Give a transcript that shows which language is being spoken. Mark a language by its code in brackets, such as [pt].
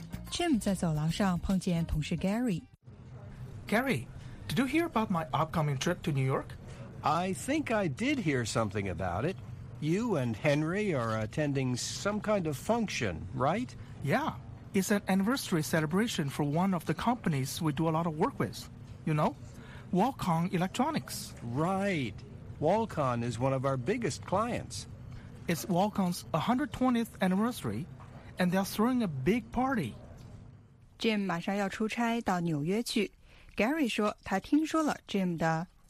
[zh] Jim 在走廊上碰见同事 Gary. [en] Gary, did you hear about my upcoming trip to New York? I think I did hear something about it. You and Henry are attending some kind of function, right? Yeah. It's an anniversary celebration for one of the companies we do a lot of work with. You know, Walcon Electronics. Right. Walcon is one of our biggest clients. It's Walcon's 120th anniversary, and they're throwing a big party. [zh] Jim 马上要出差到纽约去。Gary 说他听说了 Jim 的